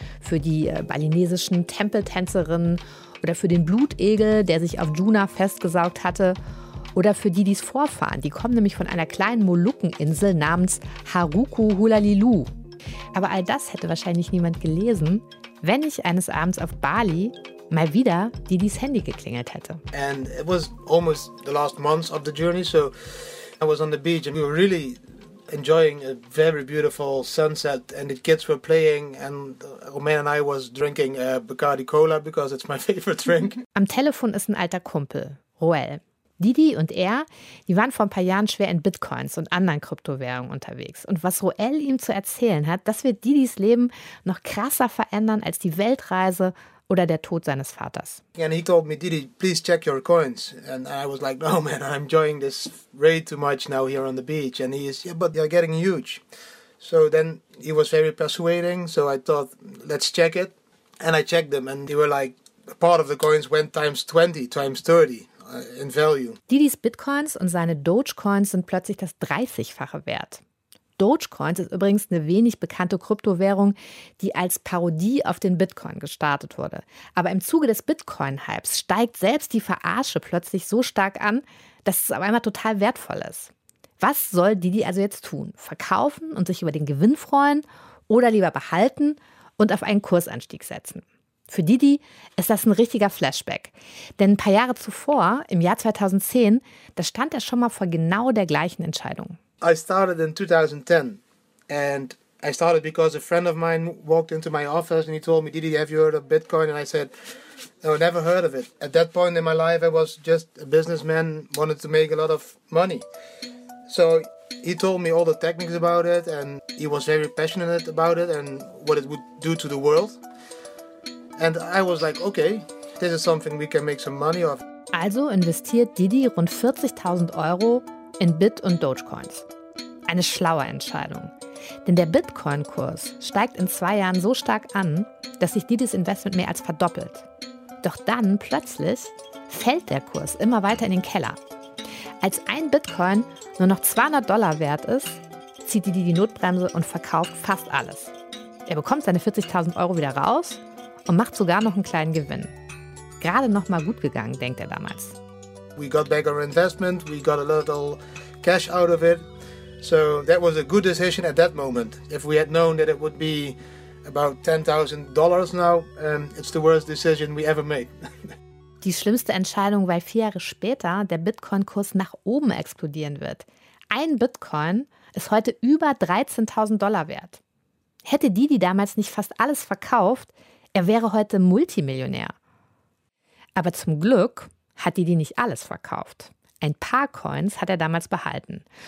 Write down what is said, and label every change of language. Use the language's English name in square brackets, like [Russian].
[German] Für die balinesischen Tempeltänzerinnen oder für den Blutegel, der sich auf Juna festgesaugt hatte. Oder für Didis Vorfahren. Die kommen nämlich von einer kleinen Molukkeninsel namens Haruku Hulalilu. Aber all das hätte wahrscheinlich niemand gelesen, wenn ich eines Abends auf Bali mal wieder Didis Handy geklingelt hätte. [English] And it was almost the last month of the journey, so I was on the beach and we were really enjoying a very beautiful sunset and the kids were playing and Romain and I was drinking Bacardi Cola, because it's my favorite drink. [German] Am Telefon ist ein alter Kumpel, Roel. Didi und er, die waren vor ein paar Jahren schwer in Bitcoins und anderen Kryptowährungen unterwegs. Und was Roel ihm zu erzählen hat, das wird Didis Leben noch krasser verändern als die Weltreise oder der Tod seines Vaters. [English] And he told me, Didi, please check your coins. And I was like, no man, I'm enjoying this way too much now here on the beach. And he is, yeah, but you're getting huge. So then he was very persuading, so I thought, let's check it. And I checked them and they were like, a part of the coins went times 20, times 30 in value. [German] Didis Bitcoins und seine Dogecoins sind plötzlich das 30-fache wert. Dogecoins ist übrigens eine wenig bekannte Kryptowährung, die als Parodie auf den Bitcoin gestartet wurde. Aber im Zuge des Bitcoin-Hypes steigt selbst die Verarsche plötzlich so stark an, dass es auf einmal total wertvoll ist. Was soll Didi also jetzt tun? Verkaufen und sich über den Gewinn freuen oder lieber behalten und auf einen Kursanstieg setzen? Für Didi ist das ein richtiger Flashback. Denn ein paar Jahre zuvor, im Jahr 2010, da stand er schon mal vor genau der gleichen Entscheidung. [English] I started in 2010 and I started because a friend of mine walked into my office and he told me, Didi, have you heard of Bitcoin? And I said, no, never heard of it. At that point in my life, I was just a businessman, wanted to make a lot of money. So he told me all the techniques about it and he was very passionate about it and what it would do to the world. And I was like, okay, this is something we can make some money off. [German] Also investiert Didi rund 40.000 Euro in Bit- und Dogecoins. Eine schlaue Entscheidung. Denn der Bitcoin-Kurs steigt in 2 Jahren so stark an, dass sich Didis Investment mehr als verdoppelt. Doch dann plötzlich fällt der Kurs immer weiter in den Keller. Als ein Bitcoin nur noch $200 wert ist, zieht Didi die Notbremse und verkauft fast alles. Er bekommt seine 40.000 Euro wieder raus und macht sogar noch einen kleinen Gewinn. Gerade noch mal gut gegangen, denkt er damals. [English] We got back our investment, we got a little cash out of it. So that was a good decision at that moment. If we had known that it would be about $10,000 now, it's the worst decision we ever made. [German] Die schlimmste Entscheidung, weil 4 Jahre später der Bitcoin-Kurs nach oben explodieren wird. Ein Bitcoin ist heute über $13,000 wert. Hätte Didi damals nicht fast alles verkauft, er wäre heute Multimillionär. Aber zum Glück hat Didi nicht alles verkauft. Ein paar Coins hat er damals behalten.